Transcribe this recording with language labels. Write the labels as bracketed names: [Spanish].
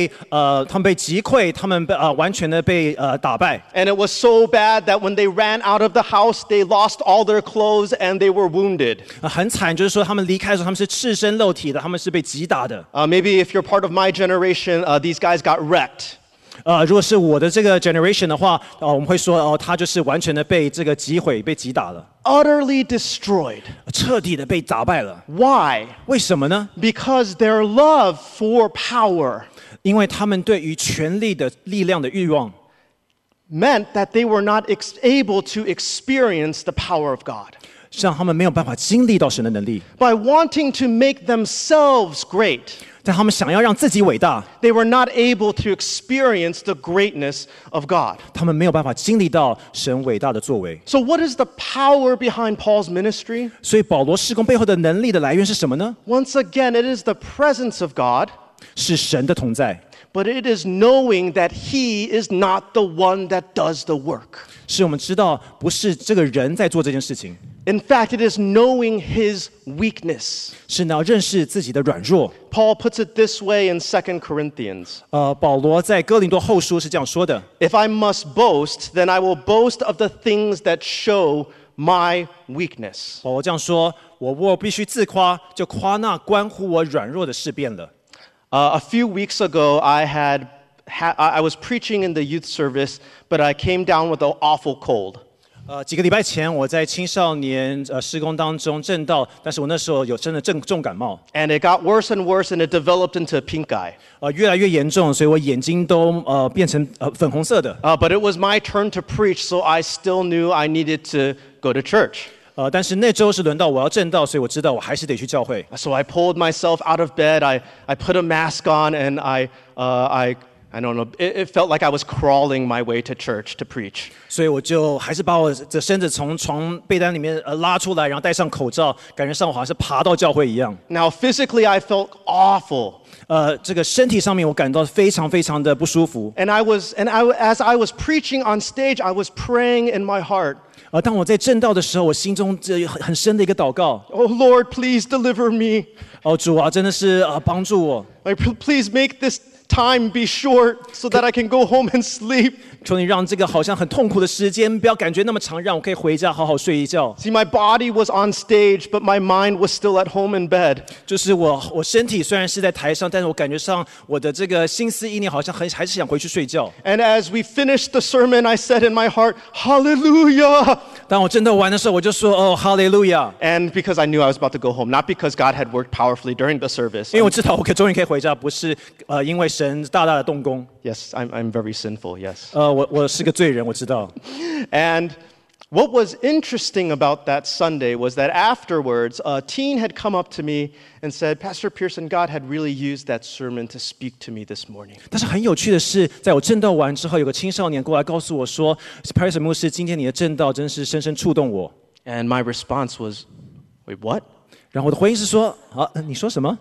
[Chinese] 他们被击溃，他们被完全的被打败。 [English] And it was so bad that when they ran out of the house, they lost all their clothes and they were wounded. [Chinese] 很惨，就是说他们离开的时候，他们是赤身露体的，他们是被击打的。 [English] Maybe if you're part of my generation, these guys got wrecked. [Chinese] 如果是我的这个 generation 的话，我们会说他就是完全的被这个击毁，被击打了。 [English] Utterly destroyed. [Chinese] 彻底的被打败了。 [English] Why? [Chinese] 为什么呢？ [English] Because their love for power. [Chinese] 因为他们对于权力的力量的欲望。 [English] Meant that they were not able to experience the power of God. [Chinese] 让他们没有办法经历到神的能力。 [English] By wanting to make themselves great. [Chinese] 但他们想要让自己伟大。 [English] They were not able to experience the greatness of God. [Chinese] 他们没有办法经历到神伟大的作为。 [English] So what is the power behind Paul's ministry? [Chinese] 所以保罗事工背后的能力的来源是什么呢？ [English] Once again, it is the presence of God. [Chinese] 是神的同在。 [English] But it is knowing that he is not the one that does the work. [Chinese] 是我们知道不是这个人在做这件事情。 [English] In fact, it is knowing his weakness. [Chinese] 是呢，认识自己的软弱。 [English] Paul puts it this way in 2 Corinthians. [Chinese] 保罗在哥林多后书是这样说的。 [English] If I must boast, then I will boast of the things that show my weakness. [Chinese] 保罗这样说，我若必须自夸，就夸那关乎我软弱的事便了。 [English] A few weeks ago, I was preaching in the youth service, but I came down with an awful cold. [Chinese] 几个礼拜前我在青少年施工当中证道，但是我那时候有真的重感冒。 [English] And it got worse and worse, and it developed into pink eye. [Chinese] 越来越严重，所以我眼睛都变成粉红色的。 [English] But it was my turn to preach, so I still knew I needed to go to church. [Chinese] 但是那周是轮到我要证道，所以我知道我还是得去教会。 [English] So I pulled myself out of bed, I put a mask on, and I don't know. It felt like I was crawling my way to church to preach. [Chinese] 所以我就还是把我的身子从床被单里面拉出来，然后戴上口罩，感觉上我好像是爬到教会一样。 [English] Now physically, I felt awful. [Chinese] 这个身体上面我感到非常非常的不舒服。 [English] As I was preaching on stage, I was praying in my heart. [Chinese] 当我在证道的时候，我心中这很深的一个祷告。 [English] Oh Lord, please deliver me. [Chinese] 主啊，真的是帮助我。 [English] Please make this. Time be short so that I can go home and sleep. [Chinese] 求你让这个好像很痛苦的时间不要感觉那么长，让我可以回家好好睡一觉。 [English] See, my body was on stage, but my mind was still at home in bed. [Chinese] 就是我身体虽然是在台上，但是我感觉上我的这个心思意念好像还是想回去睡觉。 [English] And as we finished the sermon, I said in my heart, Hallelujah! [Chinese] 当我真的完的时候，我就说哦 ，Hallelujah! [English] And because I knew I was about to go home, not because God had worked powerfully during the service. [Chinese] 因为我知道我终于可以回家，不是因为神大大的动工。 [English] Yes, I'm very sinful. Yes. [Chinese] 我是个罪人，我知道。 [English] And what was interesting about that Sunday was that afterwards, a teen had come up to me and said, Pastor Pearson, God had really used that sermon to speak to me this morning. [Chinese] 但是很有趣的是，在我证道完之后，有个青少年过来告诉我说 ，Pearson 牧师，今天你的证道真是深深触动我。 [English] And my response was, Wait, what? [Chinese] 然后我的回应是说，你说什么